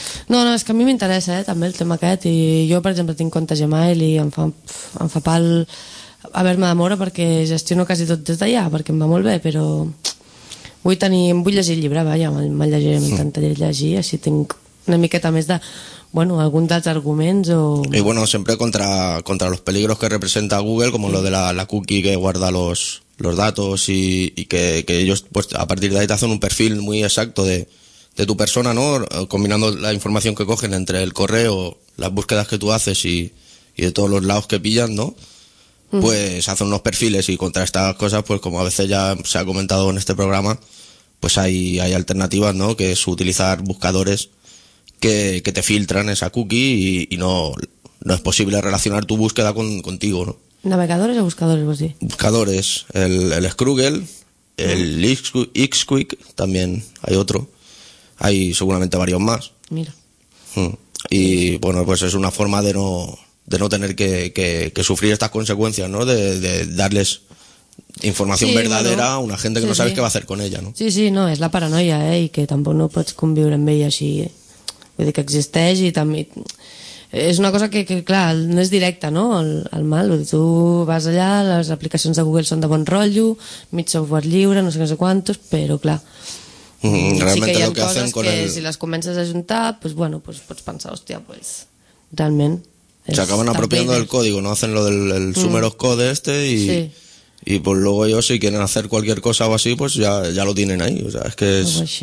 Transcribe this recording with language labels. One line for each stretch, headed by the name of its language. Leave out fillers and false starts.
Catalan: No, és que a mi m'interessa, també, el tema aquest. I jo, per exemple, tinc compte Gmail i em fa pal haver-me de moure perquè gestiono quasi tot des d'allà, perquè em va molt bé, però vull llegir el llibre, vaja, me'l llegiré, m'encanta llegir, així tinc una miqueta més de... Bueno, algún dels arguments o...
Spanish: Y bueno, siempre contra los peligros que representa Google, como lo de la cookie que guarda los datos y que ellos, pues a partir de ahí te hacen un perfil muy exacto de tu persona, ¿no? Combinando la información que cogen entre el correo, las búsquedas que tú haces y de todos los lados que pillan, ¿no? Pues hacen unos perfiles y contra estas cosas, pues como a veces ya se ha comentado en este programa, pues hay alternativas, ¿no? Que es utilizar buscadores que te filtran esa cookie y no es posible relacionar tu búsqueda contigo, ¿no? ¿Navegadores o buscadores, vos sí? Buscadores, el Scruggle, el Ixquick, también hay otro. Hay seguramente varios más. Mira. Y bueno, pues es una forma de no tener que sufrir estas consecuencias, ¿no? De darles información verdadera, bueno, a una gente que no sabes qué va a hacer con ella, ¿no? Sí, no, es la paranoia, y que tampoco no puedes convivir en ella así,
Catalan: vull dir que existeix i també és una cosa que clar, no és directa, no? El mal, vull dir, tu vas allà, les aplicacions de Google són de bon rotllo, mig software lliure, no sé què, no sé quantos, però clar, realment sí que hi ha que coses que si les comences a ajuntar, pues bueno, pues pots pensar, hòstia, pues realment
Spanish: se acaben apropiando del código, no? Hacen lo del sumeros code este y y pues luego ellos si quieren hacer cualquier cosa o así, pues ya lo tienen ahí, o sea, es que es...